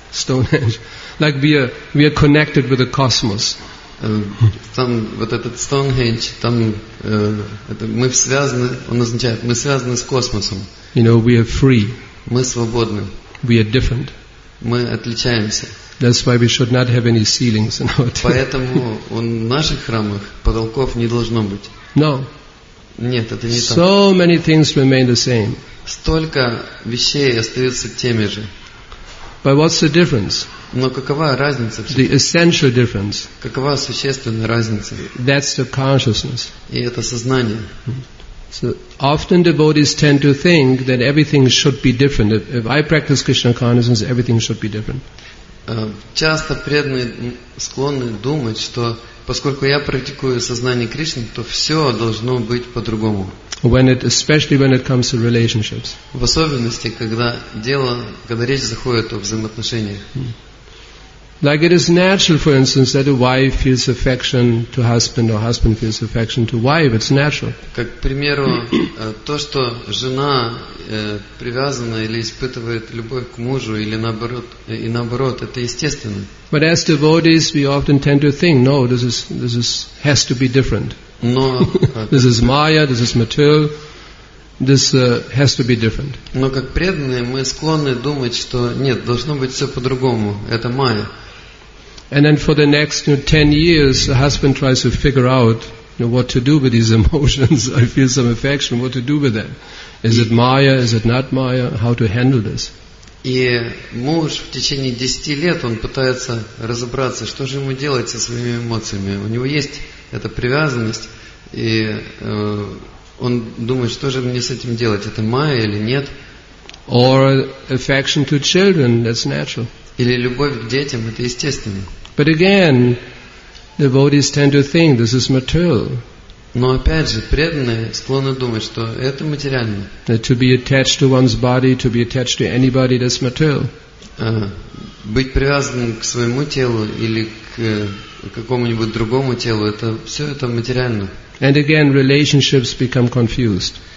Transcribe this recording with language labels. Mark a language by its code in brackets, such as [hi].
[en] Stonehenge. Like we are connected with the cosmos. [ru] Там вот этот Stonehenge, там это мы связаны. Он означает мы связаны с космосом. [en] You know, we are free. [ru] Мы свободны. [en] We are different. [ru] Мы отличаемся. [en] That's why we should not have any ceilings in our. [ru] Поэтому в наших храмах потолков не должно быть. [en] No. [ru] Нет, это не так. [en] So many things remain the same. [ru] Столько вещей остаются теми же. [en] But what's the difference? [ru] Но какова разница? [en] The essential difference. [ru] Какова существенная разница? [en] That's the consciousness. [ru] И это сознание. [en] So often devotees tend to think that everything should be different. If I practice Krishna consciousness, everything should be different. [ru] Часто преданные склонны думать, что поскольку я практикую сознание Кришны, то все должно быть по-другому. [en] Especially when it comes to relationships. [ru] В особенности, когда дело, когда речь заходит о взаимоотношениях. [en] Like it is natural, for instance, that a wife feels affection to husband, or husband feels affection to wife. It's natural. [ru] Как, к примеру, то, что жена привязана или испытывает любовь к мужу, или наоборот, и наоборот, это естественно. [en] But as devotees, we often tend to think, no, this has to be different. [ru] Но [en] this is Maya, this is material. This has to be different. [ru] Но как преданные мы склонны думать, что нет, должно быть все по-другому. Это майя. [en] And then for the next, you know, 10 years, the husband tries to figure out, you know, what to do with these emotions. I feel some affection. What to do with that? Is it майя? Is it not майя? How to handle this? [ru] И муж в течение 10 лет он пытается разобраться, что же ему делать со своими эмоциями. У него есть эта привязанность и он думает, что же мне с этим делать, это майя или нет? [en] Or affection to children, that's natural. [ru] Или любовь к детям, это естественно. [en] But again, devotees tend to think this is material. [ru] Но опять же, преданные склонны думать, что это материально. [en] That to be attached to one's body, to be attached to anybody, that's material. [ru] Быть привязанным к своему телу или к какому-нибудь другому телу, это все это материально. [en] And again, relationships become confused.